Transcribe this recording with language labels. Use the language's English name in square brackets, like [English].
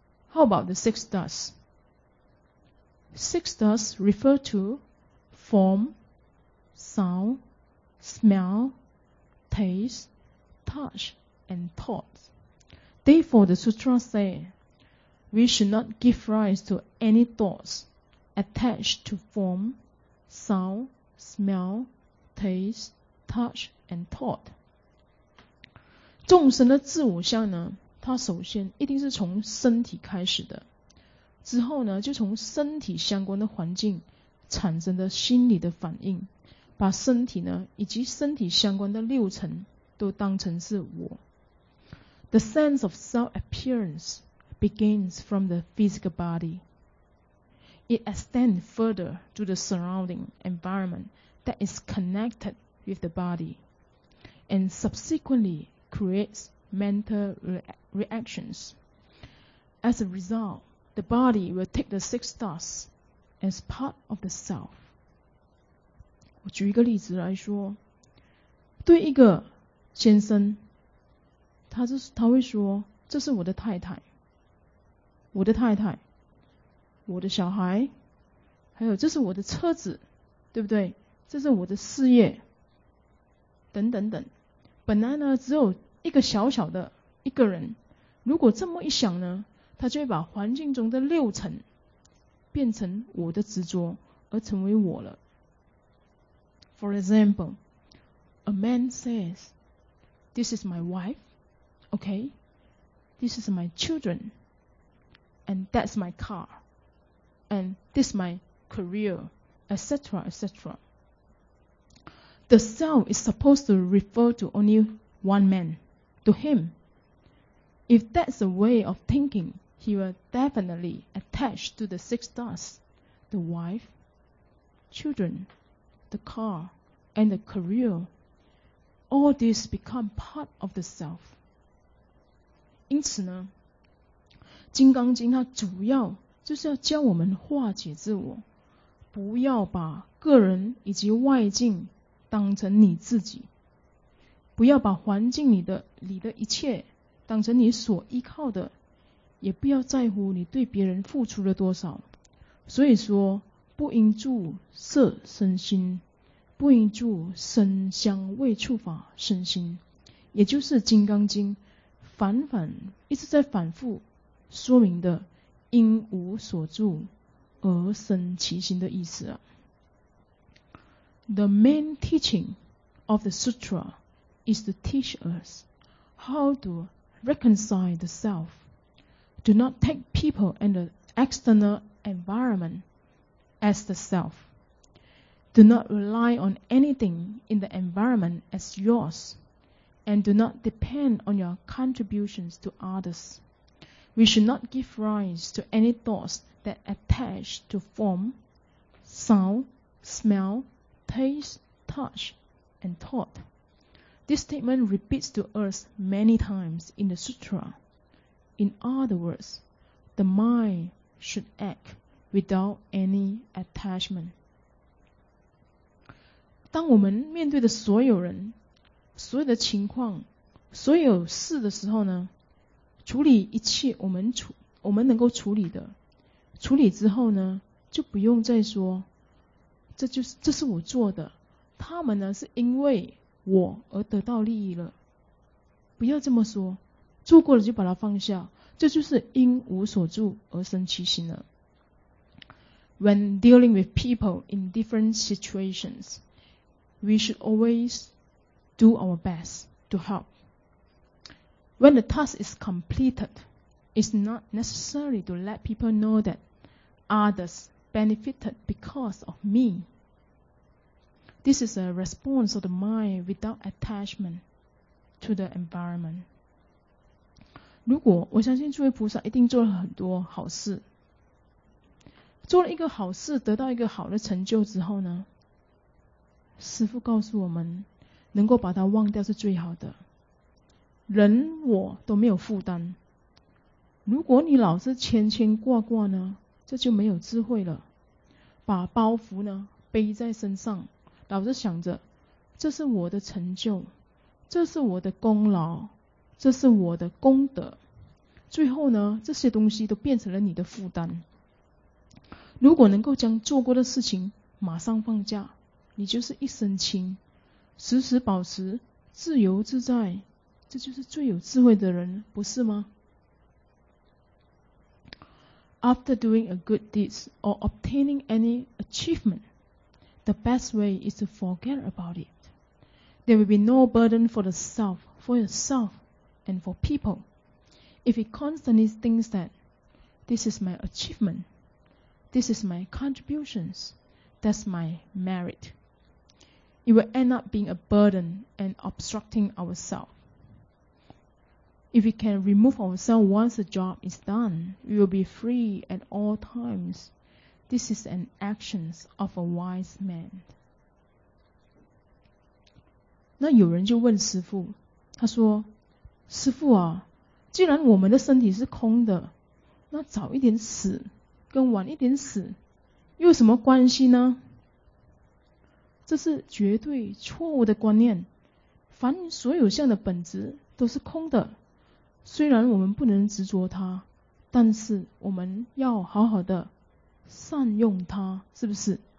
[English] How about the six dusts? Six dusts refer to form, sound,smell, taste, touch, and thought. Therefore, the sutra say, we should not give rise to any thoughts attached to form, sound, smell, taste, touch, and thought. [Chinese] 众生的自我相呢，它首先一定是从身体开始的，之后呢，就从身体相关的环境产生的心理的反应，把身体呢以及身体相关的六尘都当成是我。 [English] The sense of self-appearance begins from the physical body. It extends further to the surrounding environment that is connected with the body and subsequently creates mental reactions. As a result, the body will take the six dusts as part of the self. [Chinese] 我举一个例子来说，对一个先生，他会说，这是我的太太，我的太太，我的小孩，还有这是我的车子，对不对？这是我的事业等等等。本来呢只有一个小小的一个人，如果这么一想呢，他就会把环境中的六尘变成我的执着，而成为我了。 [English] For example, a man says, this is my wife, okay, this is my children, and that's my car, and this is my career, etc., etc. The self is supposed to refer to only one man, to him. If that's a way of thinking, he will definitely attach to the six dusts, the wife, children, the car,and the career, all this become part of the self. [Chinese] 因此呢，金刚经它主要就是要教我们化解自我，不要把个人以及外境当成你自己，不要把环境里的一切当成你所依靠的，也不要在乎你对别人付出了多少。所以说，不应住色身心，不应住声香味触法身心，也就是《金刚经》一直在反复说明的因无所住而生其心的意思。 [English] The main teaching of the sutra is to teach us how to reconcile the self. Do not take people and the external environment as the self. Do not rely on anything in the environment as yours, and do not depend on your contributions to others. We should not give rise to any thoughts that attach to form, sound, smell, taste, touch, and thought. This statement repeats to us many times in the sutra. In other words, the mind should act without any attachment. [Chinese] 当我们面对的所有人、所有的情况、所有事的时候呢，处理一切我们能够处理的，处理之后呢，就不用再说，这是我做的，他们呢是因为我而得到利益了，不要这么说，做过了就把它放下，这就是因无所住而生其心了。 [English] When dealing with people in different situations, we should always do our best to help. When the task is completed, it's not necessary to let people know that others benefited because of me. This is a response of the mind without attachment to the environment. [Chinese] 如果我相信诸位菩萨一定做了很多好事，做了一个好事得到一个好的成就之后呢，师父告诉我们能够把它忘掉是最好的，人我都没有负担。如果你老是牵牵挂挂呢，这就没有智慧了，把包袱呢背在身上，老是想着这是我的成就，这是我的功劳，这是我的功德，最后呢这些东西都变成了你的负担。如果能够将做过的事情马上放下，你就是一身轻，时时保持自由自在，这就是最有智慧的人，不是吗？ [English] After doing a good deed or obtaining any achievement, the best way is to forget about it. There will be no burden for the self, for yourself, and for people. If you constantly think that this is my achievement, this is my contributions, that's my merit,it will end up being a burden and obstructing ourselves. If we can remove ourselves once the job is done, we will be free at all times. This is an action of a wise man. [Chinese] 那有人就问师父，他说，师父啊，既然我们的身体是空的，那早一点死跟晚一点死又有什么关系呢？这是绝对错误的观念。凡所有相的本质都是空的，虽然我们不能执着它，但是我们要好好的善用它，是不是？